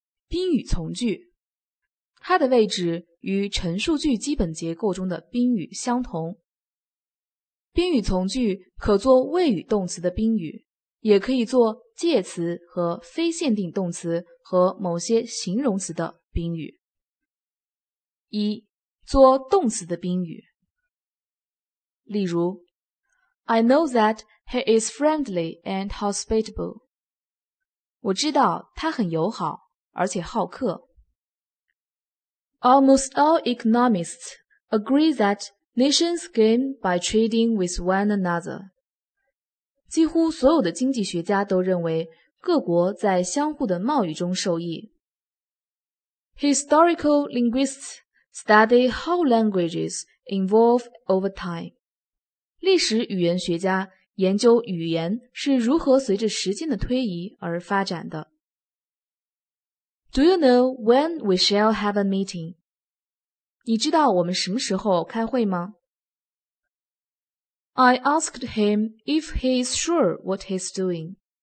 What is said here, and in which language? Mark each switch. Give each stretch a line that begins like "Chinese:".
Chinese: 宾语从句，它的位置与陈述句基本结构中的宾语相同。宾语从句可做谓语动词的宾语，也可以做介词和非限定动词和某些形容词的宾语。一、做动词的宾语。例如
English: I know that he is friendly and hospitable.
Chinese: 我知道他很友好而且好客。
English: Almost all economists agree that nations gain by trading with one another.
Chinese: 几乎所有的经济学家都认为各国在相互的贸易中受益。
English: Historical linguists study how languages evolve over time.
Chinese: 历史语言学家研究语言是如何随着时间的推移而发展的。
English: Do you know when we shall have a meeting?
Chinese: 你知道我们什么时候开会吗？
English: I asked him if he is sure what he's doing.